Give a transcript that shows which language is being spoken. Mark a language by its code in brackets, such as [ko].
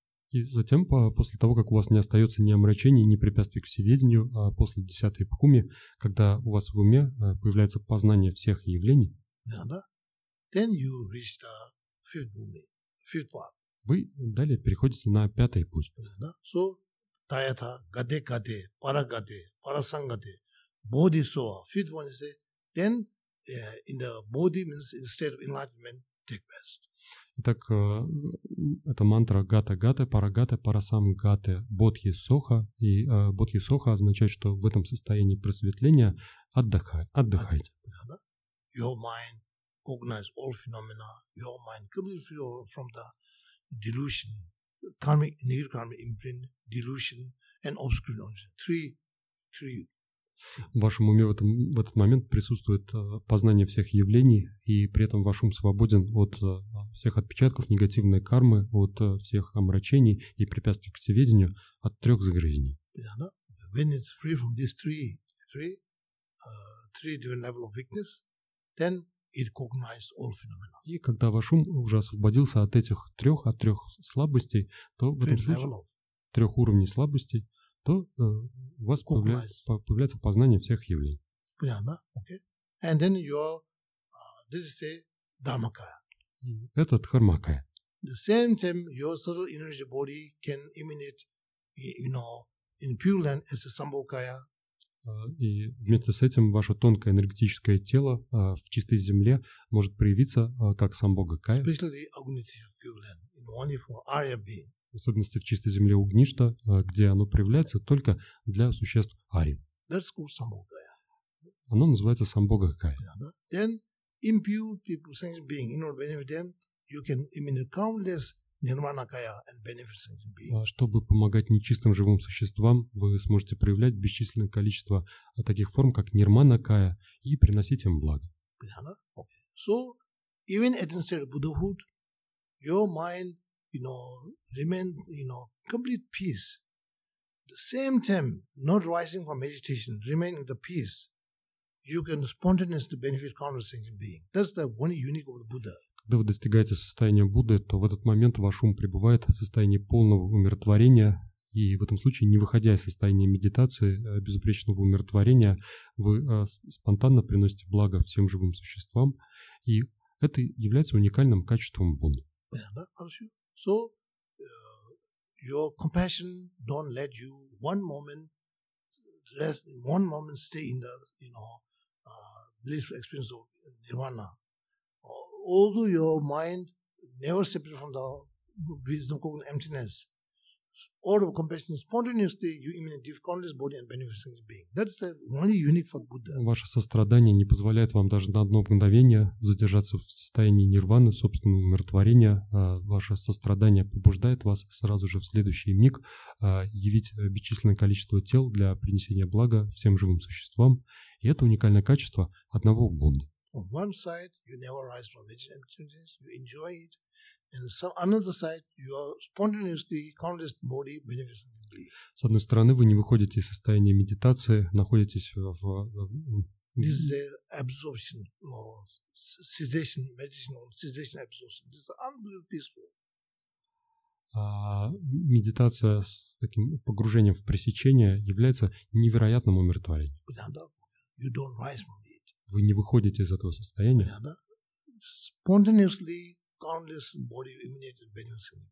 [ru] И затем, после того, как у вас не остается ни омрачений, ни препятствий к всеведению, а после 10 бхуми, когда у вас в уме появляется познание всех явлений, yeah, да? [en] Then you reach the fifth bhumi, fifth path. [ru] Вы далее переходите на пятый путь. [sa] Yeah, да? So, Таята, гаде гаде, пара гаде, пара сангаде, боди соа. [en] Fifth one is then in the body means instead of enlightenment, take rest. [ru] Итак, это мантра [sa] гата гате, пара гате, пара сам гате, бодхи соха. [ru] И бодхи соха означает, что в этом состоянии просветления отдыхайте. [en] Your mind cognizes all phenomena. Your mind comes from the delusion. Karmic, negative karmic imprint, delusion, and obscure omniscience. Three. [ru] В вашем уме в этот момент присутствует познание всех явлений, и при этом ваш ум свободен от всех отпечатков негативной кармы, от всех омрачений и препятствий к всеведению, от трех загрязнений. [en] Yeah, when it's free from these three different level of weakness, then it recognizes all phenomena. [ru] И когда ваш ум уже освободился от этих трех, от трех слабостей, то в этом случае трех уровней слабостей, то у вас появляется познание всех явлений. Понятно, окей. [en] Okay. And then your, this is a dharmakaya. [ru] Это дхармакая. [en] The same time your subtle energy body can emanate, you know, in pure land as a sambhogakaya, [ru] И вместе с этим ваше тонкое энергетическое тело в чистой земле может проявиться как сам Бога Кая. В особенности в чистой земле Огништа, где оно проявляется только для существ Ари. Оно называется сам Бога Кая. [en] Then impure people, sentient being, in order to benefit them, you can emanate countless Nirvanakaya and benefit sentient being. [ru] Чтобы помогать нечистым живым существам, вы сможете проявлять бесчисленное количество таких форм, как Нирванакая, и приносить им благо. [en] Okay. So, even at the state of Buddhahood, your mind, you know, remain, you know, complete peace. The same time, not rising from meditation, remaining the peace. You can spontaneously benefit countless sentient beings. That's the one unique of the Buddha. [ru] Когда вы достигаете состояния Будды, то в этот момент ваш ум пребывает в состоянии полного умиротворения, и в этом случае, не выходя из состояния медитации, безупречного умиротворения, вы спонтанно приносите благо всем живым существам, и это является уникальным качеством Будды. [en] Yeah, so your compassion don't let you one moment rest, one moment stay in the, you know, blissful experience of Nirvana. Although your mind never separate from the wisdom cognitive emptiness, out of compassion spontaneously you emanate countless body and beneficent being. That's the only unique for Buddha. [ru] Ваше сострадание не позволяет вам даже на одно мгновение задержаться в состоянии нирваны, собственного умиротворения. Ваше сострадание побуждает вас сразу же в следующий миг явить бесчисленное количество тел для принесения блага всем живым существам. И это уникальное качество одного Будды. [en] On one side, you never rise from meditation emptiness, you enjoy it. And on another side, you are spontaneously countless body beneficent being. [ru] С одной стороны, вы не выходите из состояния медитации, находитесь в... [en] This is absorption, or cessation, meditation or cessation absorption. This is unbelievably peaceful. [ru] Медитация с таким погружением в пресечение является невероятным умиротворением. [en] You don't rise from it. [ru] Вы не выходите из этого состояния. [en] Yeah, да? Spontaneously, countless body emanated benefits.